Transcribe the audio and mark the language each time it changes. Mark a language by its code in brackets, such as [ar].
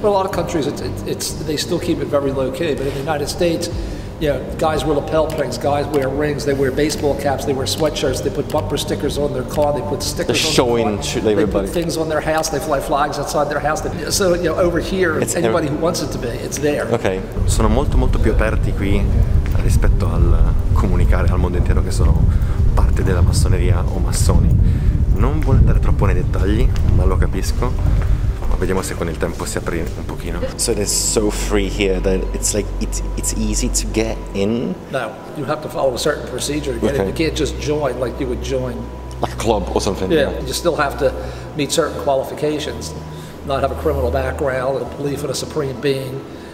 [en] Well, a lot of countries, it's they still keep it very low key. But in the United States, you know, guys wear lapel pins, guys wear rings, they wear baseball caps, they wear sweatshirts, they put bumper stickers on their car, they put stickers. They're showing their car, to everybody. They put things on their house, they fly flags outside their house. So you know, over here, it's anybody who wants it to be, it's there. Okay. [it] Sono molto molto più aperti qui rispetto al comunicare al mondo intero che sono parte della massoneria o massoni. Non vuole andare troppo nei dettagli, ma lo capisco. Ma vediamo se con il tempo si apre un pochino. [en] So it's so free here that it's like it's easy to get in. No, you have to follow a certain procedure. Okay. You can't just join like you would join. Like a club or something. Yeah, you still have to meet certain qualifications, not have a criminal background, a belief in a supreme being.